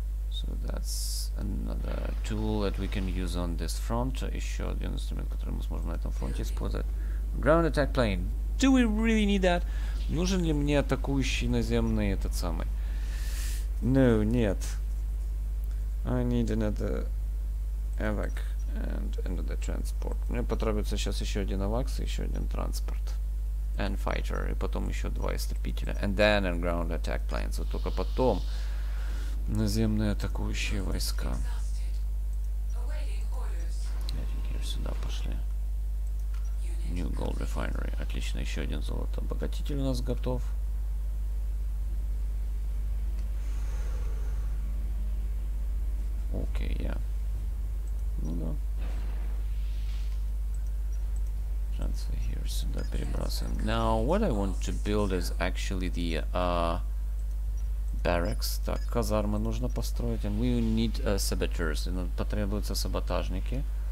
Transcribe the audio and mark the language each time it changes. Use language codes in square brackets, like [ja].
[en] So that's another tool that we can use on this front. [ru] Еще один инструмент, который мы сможем на этом фронте использовать. [en] Ground attack plane. Do we really need that? [ru] Нужен ли мне атакующий наземный этот самый? [en] No, [ru] нет. [en] I need another evac and another transport. [ru] Мне потребуется сейчас еще один авакс и еще один транспорт. [en] And fighter, [ru] и потом еще два истребителя. [en] And then a ground attack plane. [ru] So, только потом наземные атакующие войска. Я думаю, сюда пошли. [en] New gold refinery. [ru] Отлично, еще один золотообогатитель у нас готов. Окей, я. Ну да. [en] Transfer here, [ru] сюда перебрасываем. [en] Now, what I want to build is actually the barracks. [ru] Так, казармы нужно построить. [en] And we need saboteurs. [ru] И нам потребуются саботажники.